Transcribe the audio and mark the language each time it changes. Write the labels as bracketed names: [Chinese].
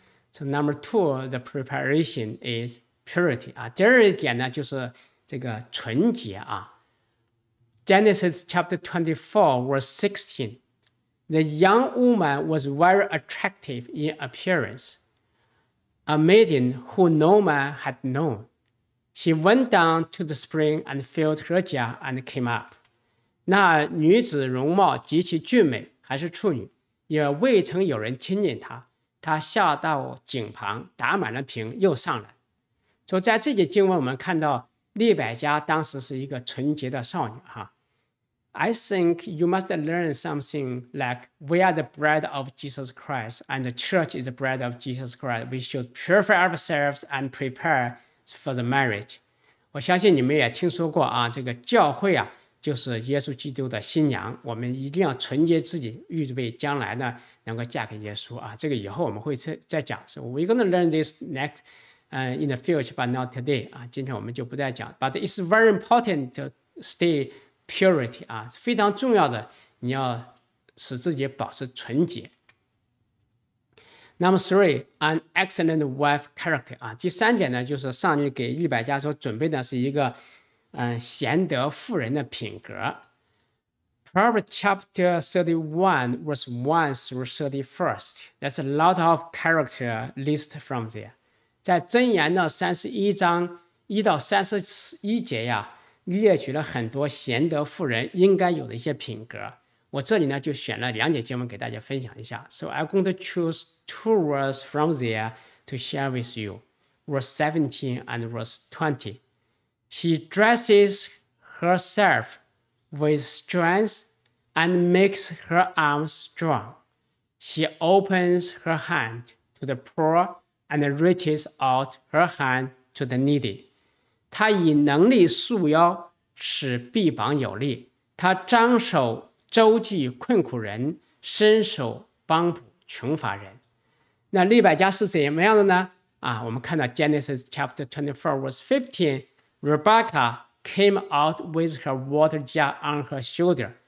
[English] So number two, the preparation is purity. [Chinese] 第二点呢，就是这个纯洁。 [English] Genesis chapter 24, verse 16. The young woman was very attractive in appearance, a maiden who no man had known. She went down to the spring and filled her jar and came up. [Chinese] 那女子容貌极其俊美，还是处女，也未曾有人亲近她。她下到井旁，打满了瓶，又上来。所以在这节经文，我们看到利百加当时是一个纯洁的少女。 I think you must learn something like we are the bride of Jesus Christ and the church is the bride of Jesus Christ. We should purify ourselves and prepare for the marriage. 我相信你们也听说过啊，这个教会啊，就是耶稣基督的新娘，我们一定要纯洁自己，预备将来呢能够嫁给耶稣啊。这个以后我们会再讲。 [English] So we're going to learn this next, in the future, but not today. [Chinese] 今天我们就不再讲。 [English] But it's very important to stay. [Chinese] Purity, 非常重要的，你要使自己保持纯洁。 [English] Number three, an excellent wife character, [Chinese] 第三点呢，就是上帝给利百加所准备的是一个贤德妇人的品格。 [English] Proverbs chapter 31, verse 1 through 31st, there's a lot of character list from there. [Chinese] 在箴言的31章1到31节呀，列举了很多贤德妇人应该有的一些品格，我这里呢就选了两节经文给大家分享一下。 [English] So I'm going to choose two words from there to share with you, verse 17 and verse 20. She dresses herself with strength and makes her arms strong. She opens her hand to the poor and reaches out her hand to the needy. [Chinese] 他以能力束腰，使臂膀有力。他张手周济困苦人，伸手帮补穷乏人。那利百加是怎么样的呢？我们看到 [English] Genesis chapter 24 verse 15, Rebecca came out with her water jar on her shoulder.